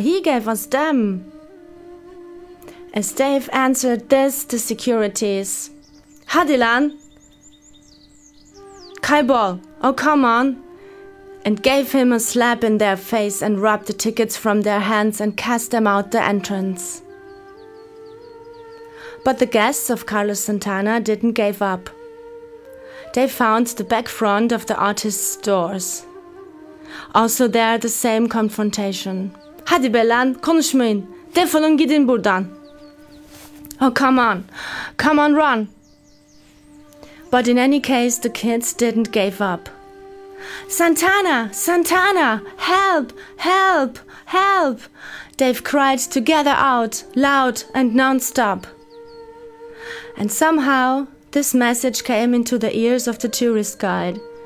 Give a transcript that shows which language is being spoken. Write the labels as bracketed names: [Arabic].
[English] He gave us them." As Dave answered this, the securities, [Turkish] "Hadilan, Kaibol, [English] oh come on," and gave him a slap in their face and rubbed the tickets from their hands and cast them out the entrance. But the guests of Carlos Santana didn't give up. They found the back front of the artist's doors. Also there, the same confrontation. [Turkish] "Hadi Belan, konuşmayın, defolun gidin buradan." [English] "Oh, come on. Come on, run." But in any case, the kids didn't give up. "Santana, Santana, help, help, help." They've cried together out, loud and non-stop. And somehow, this message came into the ears of the tourist guide.